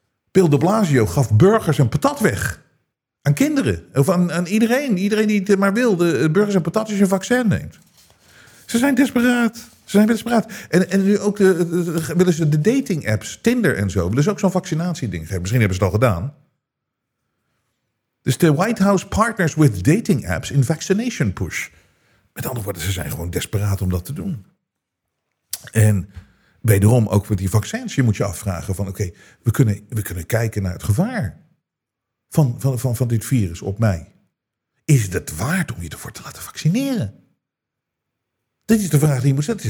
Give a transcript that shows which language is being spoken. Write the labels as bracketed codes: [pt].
[nl] Bill de Blasio gaf burgers en patat weg. Aan kinderen. Of aan iedereen. Iedereen die het maar wilde. Burgers en patat als je een vaccin neemt. Ze zijn desperaat. En nu ook willen ze de dating apps. Tinder en zo. Willen ze ook zo'n vaccinatieding geven. Misschien hebben ze het al gedaan. Dus de [en] White House partners with dating apps in vaccination push. [nl] Met andere woorden, ze zijn gewoon desperaat om dat te doen. En wederom ook met die vaccins. Je moet je afvragen van oké, we kunnen kijken naar het gevaar van dit virus op mij. Is het waard om je ervoor te laten vaccineren? Dit is de vraag die je moet stellen.